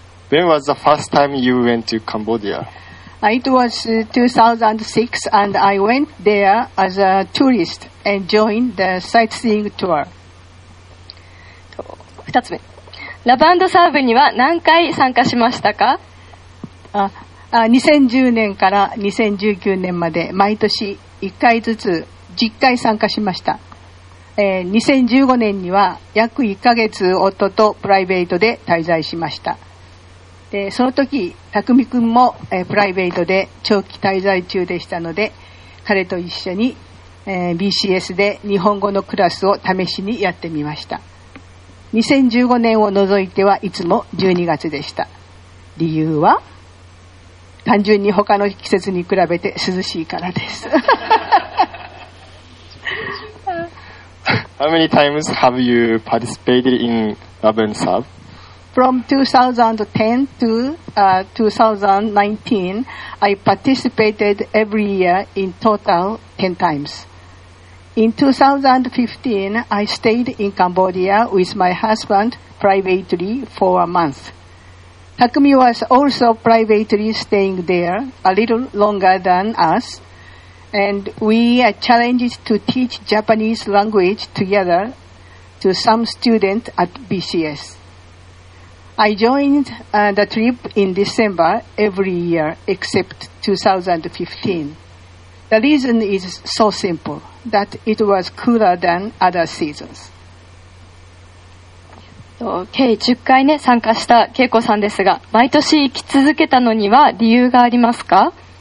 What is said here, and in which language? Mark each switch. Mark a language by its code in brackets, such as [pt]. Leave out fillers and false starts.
[en] When was the first time you went to Cambodia? It was 2006 and I went there as a tourist and joined the sightseeing tour. [ja] 二つ目、ラブ&サーブには何回参加しましたか？ 2010年から2019年まで毎年1回ずつ10回参加しました。 2015年には約1ヶ月夫とプライベートで滞在しました。で、その時、たくみくんも、プライベートで長期滞在中でしたので、彼と一緒に、BCS で日本語のクラスを試しにやってみました。 2015年を除いてはいつも12月でした。理由は単純に他の季節に比べて涼しいからです。 [en] How many times have you participated in Love and Serve? From 2010 to 2019, I participated every year in total 10 times. In 2015, I stayed in Cambodia with my husband privately for a month. Takumi was also privately staying there a little longer than us, and we are challenged to teach Japanese language together to some students at BCS. I joined the trip in December every year except 2015. The reason is so simple, that it was cooler than other seasons. [ja] 計10回ね参加した恵子さんですが、毎年行き続けたのには理由がありますか？